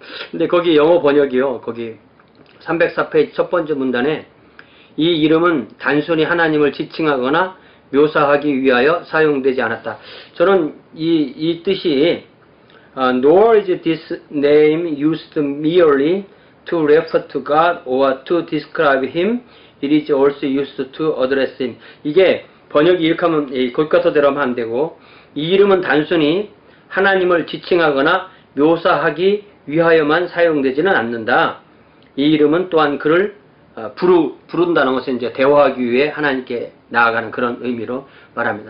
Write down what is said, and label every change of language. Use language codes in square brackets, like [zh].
[ko] 근데 거기 영어 번역이요. 거기 304페이지 첫 번째 문단에 이 이름은 단순히 하나님을 지칭하거나 묘사하기 위하여 사용되지 않았다. 저는 이 뜻이 [en] nor is this name used merely to refer to God or to describe him. It is also used to address him. [ko] 이게 번역이 이렇게 하면 골까서 대로 하면 안 되고 이 이름은 단순히 하나님을 지칭하거나 묘사하기 위하여만 사용되지는 않는다. 이 이름은 또한 그를 부른다는 것은 이제 대화하기 위해 하나님께 나아가는 그런 의미로 말합니다.